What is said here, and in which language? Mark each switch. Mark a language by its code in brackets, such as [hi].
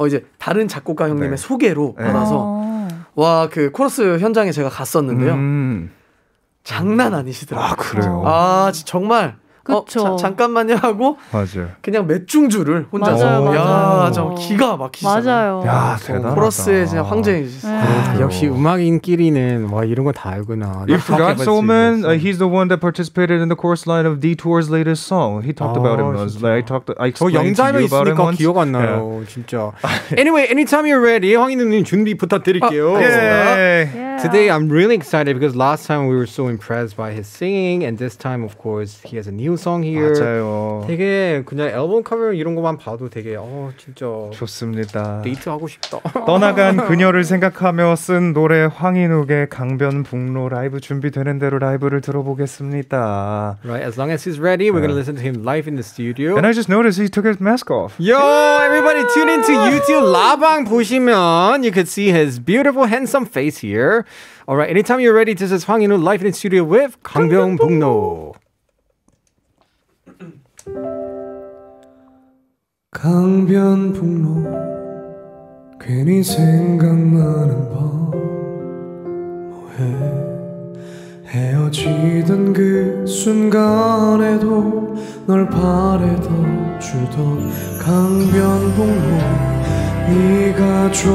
[ko] 이제 다른 작곡가 형님의 네. 소개로 네. 받아서 와, 그 코러스 현장에 제가 갔었는데요. 장난 아니시더라고요. 아, 그래요? 아, 정말. 그렇죠. 잠깐만요 하고 맞아요. 그냥 맷중주를 혼자서 맞아요, 야, 맞아요. 기가 막히잖아요. 맞아요. 야, 대단하다. 코러스의 그냥 황제이시죠. 아, 역시 음악인끼리는 와 이런 거 다 알구나. [en] If Scott Solomon, he's the one that participated in the chorus line of Detour's latest song. He talked 아, about it once. Like, I talked. I explained [ko] 저 영자에 있으니까 기억 안 나요. [en] 진짜. Anyway, anytime you're ready, [ko] 황인우님 준비 부탁드릴게요. 아, [en] Today I'm really excited because last time we were so impressed by his singing, and this time, of course, he has a new song here. [ko] 맞아요. 되게 그냥 앨범 커버 이런 것만 봐도 되게 어 진짜 좋습니다. 데이트 하고 싶다. 떠나간 그녀를 생각하며 쓴 노래 황인욱의 강변북로 라이브 준비되는 대로 라이브를 들어보겠습니다. [en] Right, as long as he's ready, we're gonna listen to him live in the studio. And I just noticed he took his mask off. Yo, everybody, tune into YouTube [ko] 라방 보시면 [en] you could see his beautiful, handsome face here. All right, anytime you're ready, this is Hwang In-woo live in the studio with 강변북로. [ko] 강변북로 괜히 생각나는 밤 뭐해 헤어지던 그 순간에도 널 바래다 주던 강변북로 네가